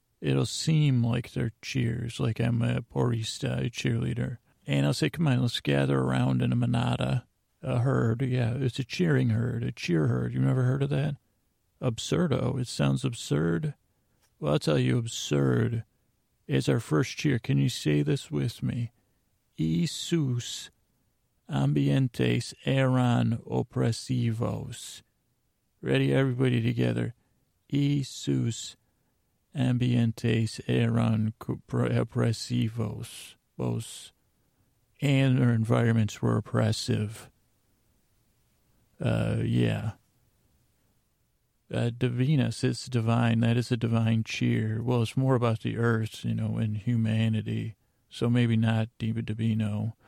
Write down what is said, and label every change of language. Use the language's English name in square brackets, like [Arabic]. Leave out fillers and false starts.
[English] It'll seem like they're cheers, like I'm a porista, a cheerleader. And I'll say, come on, let's gather around in a manada, a herd. Yeah, it's a cheering herd, a cheer herd. You've never heard of that? Absurdo. It sounds absurd. Well, I'll tell you, absurd is our first cheer. Can you say this with me? [Spanish] Jesus ambientes eran opresivos. [English] Ready, everybody together. [Spanish] Jesus ambientes eran opresivos. [English] Both. And their environments were oppressive. Yeah. Divinus, it's divine. That is a divine cheer. Well, it's more about the earth, you know, and humanity. So maybe not Diva Divino.